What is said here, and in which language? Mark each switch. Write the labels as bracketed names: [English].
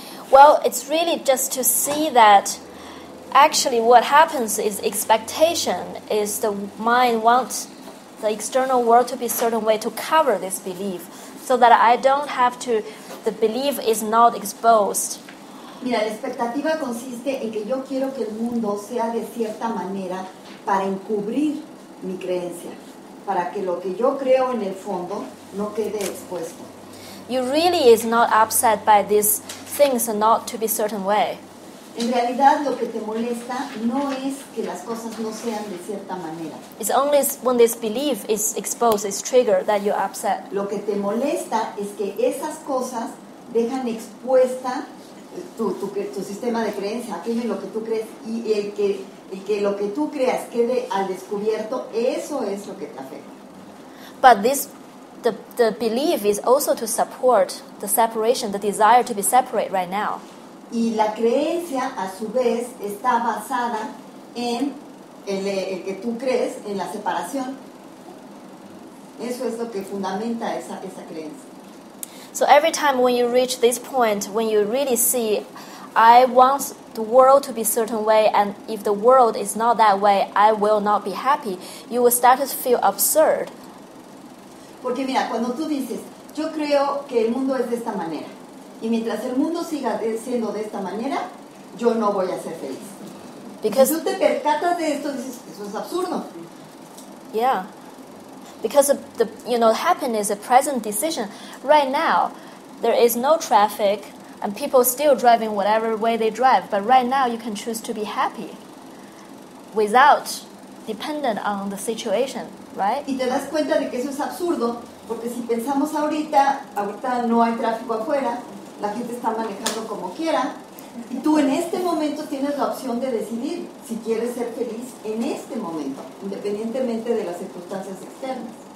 [English] Well, it's really just to see that actually what happens is expectation is the mind wants the external world to be a certain way to cover this belief so that I don't have to, the belief is not exposed. [Spanish] Mira, la expectativa consiste en que yo quiero que el mundo sea de cierta manera para encubrir mi creencia, para que lo que yo creo en el fondo no quede expuesto. [English] You really is not upset by these things not to be a certain way. [Spanish] En realidad lo que te molesta no es que las cosas no sean de cierta manera. [English] It's only when this belief is exposed, is triggered, that you're upset. [Spanish] Lo que te molesta es que esas cosas dejan expuesta tu sistema de creencia, aquello en lo que tú crees y el que... Y que lo que tú creas quede al descubierto, eso es lo que te afecta. [English] But this, the belief is also to support the separation, the desire to be separate right now. [Spanish] Y la creencia, a su vez, está basada en el que tú crees, en la separación. Eso es lo que fundamenta esa creencia. [English] So every time when you reach this point, when you really see, I want the world to be a certain way, and if the world is not that way, I will not be happy. You will start to feel absurd. [Spanish] Porque mira, cuando tú dices, yo creo que el mundo es de esta manera, y mientras el mundo siga siendo de esta manera, yo no voy a ser feliz. [English] Because [Spanish] si tú te percatas de esto, dices, eso es absurdo. [English] Yeah. Because happiness is a present decision. Right now, there is no traffic, and people still driving whatever way they drive. But right now, you can choose to be happy without dependent on the situation, right? [Spanish] Y te das cuenta de que eso es absurdo, porque si pensamos ahorita no hay tráfico afuera, la gente está manejando como quiera, y tú en este momento tienes la opción de decidir si quieres ser feliz en este momento, independientemente de las circunstancias externas.